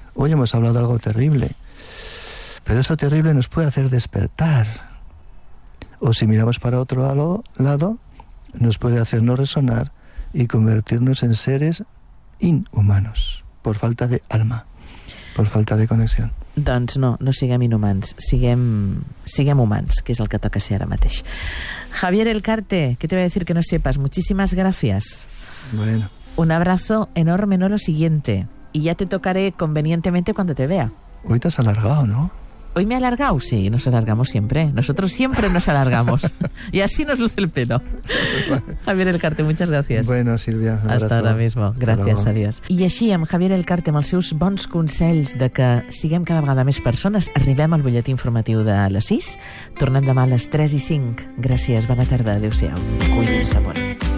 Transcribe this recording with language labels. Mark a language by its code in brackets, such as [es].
[es] Hoy hemos hablado de algo terrible, pero eso terrible nos puede hacer despertar. O si miramos para otro lado, nos puede hacernos resonar y convertirnos en seres inhumanos, por falta de alma, por falta de conexió. [ca] Doncs no, no siguem inhumans, siguem humans, que és el que toca ser ara mateix. [es] Javier Elcarte, ¿qué te voy a decir que no sepas? Muchísimas gracias. Bueno. Un abrazo enorme, no lo siguiente. Y ya te tocaré convenientemente cuando te vea. Hoy te has alargado, ¿no? Hoy me he alargado, sí, nos alargamos siempre. Nosotros siempre nos alargamos. Y así nos luce el pelo. Javier Elcarte, muchas gracias. Bueno, Silvia, un abrazo. Hasta ahora mismo. Gracias, adiós. [ca] I així, amb Javier Elcarte, amb els seus bons consells de que siguem cada vegada més persones, arribem al butlletí informatiu de les 6. Tornem demà a les 3:05. Gràcies, bona tarda, adéu-siau. Cuidem-se, bona.